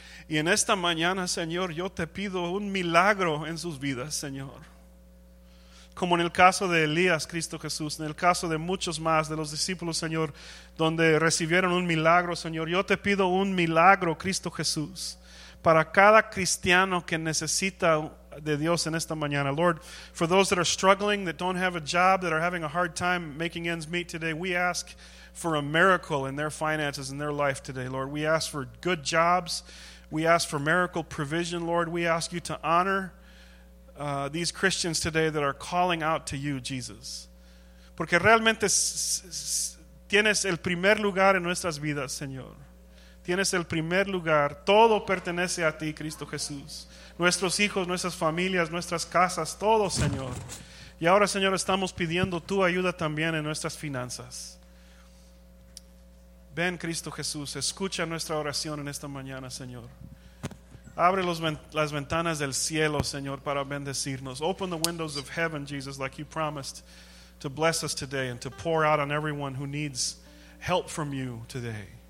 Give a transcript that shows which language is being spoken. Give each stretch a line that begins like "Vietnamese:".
Spanish: Y en esta mañana, Señor, yo te pido un milagro en sus vidas, Señor. Como en el caso de Elías, Cristo Jesús, en el caso de muchos más de los discípulos, Señor, donde recibieron un milagro, Señor, yo te pido un milagro, Cristo Jesús, para cada cristiano que necesita de Dios en esta mañana.
English: Lord, for those that are struggling, that don't have a job, that are having a hard time making ends meet today, we ask for a miracle in their finances, in their life today, Lord. We ask for good jobs. We ask for miracle provision, Lord. We ask you to honor these Christians today that are calling out to you, Jesus.
Spanish: Porque realmente tienes el primer lugar en nuestras vidas, Señor. Tienes el primer lugar. Todo pertenece a ti, Cristo Jesús. Nuestros hijos, nuestras familias, nuestras casas, todo, Señor. Y ahora, Señor, estamos pidiendo tu ayuda también en nuestras finanzas. Ven, Cristo Jesús, escucha nuestra oración en esta mañana, Señor. Abre las ventanas del cielo, Señor, para bendecirnos.
English: Open the windows of heaven, Jesus, like you promised, to bless us today and to pour out on everyone who needs help from you today.